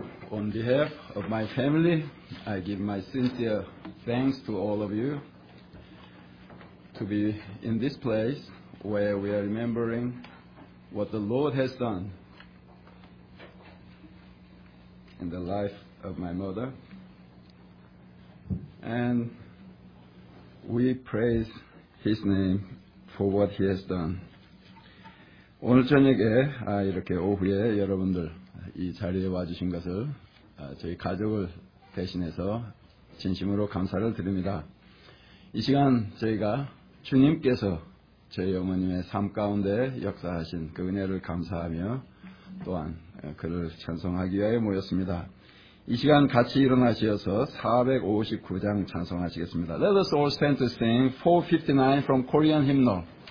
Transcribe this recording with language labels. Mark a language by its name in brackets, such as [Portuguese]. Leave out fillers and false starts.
[English] On behalf of my family, I give my sincere thanks to all of you to be in this place where we are remembering what the Lord has done in the life of my mother. And we praise His name for what He has done. [Korean] 오늘 저녁에, 이렇게 오후에 여러분들 이 자리에 와주신 것을 저희 가족을 대신해서 진심으로 감사를 드립니다. 이 시간 저희가 주님께서 저희 어머님의 삶 가운데 역사하신 그 은혜를 감사하며 또한 그를 찬송하기 위해 모였습니다. 이 시간 같이 일어나셔서 459장 찬송하시겠습니다. [English] Let us all stand to sing 459 from Korean hymnal.